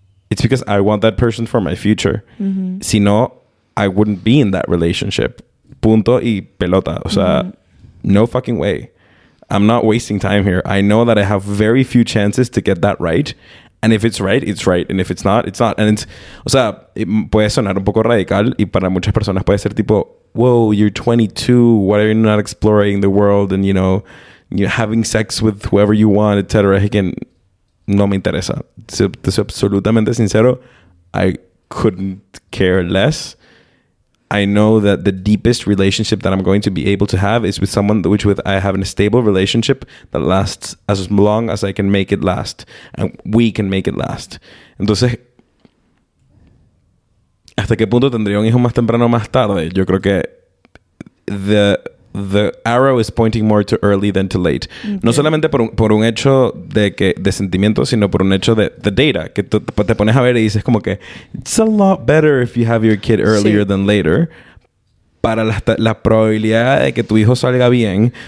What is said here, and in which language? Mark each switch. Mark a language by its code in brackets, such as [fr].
[en] It's because I want that person for my future. Mm-hmm. [es] Si no, [en] I wouldn't be in that relationship. [es] Punto y pelota. O sea, mm-hmm. [en] no fucking way. I'm not wasting time here. I know that I have very few chances to get that right. And if it's right, it's right. And if it's not, it's not. And it's, [es] o sea, [en] it [es] puede sonar un poco radical. Y para muchas personas puede ser tipo, [en] whoa, you're 22. Why are you not exploring the world? And, you know, you're having sex with whoever you want, etc. Again, [es] no me interesa. Te soy absolutamente sincero. [en] I couldn't care less. I know that the deepest relationship that I'm going to be able to have is with someone which with I have a stable relationship that lasts as long as I can make it last. And we can make it last. [es] Entonces, ¿hasta qué punto tendría un hijo más temprano o más tarde? Yo creo que [en] the arrow is pointing more to early than to late. Okay. [es] No solamente por un hecho de sentimientos, sino por un hecho de data. Que te pones a ver y dices como que [en] it's a lot better if you have your kid earlier [es] sí. [en] than later. [es] Para la probabilidad de que tu hijo salga bien.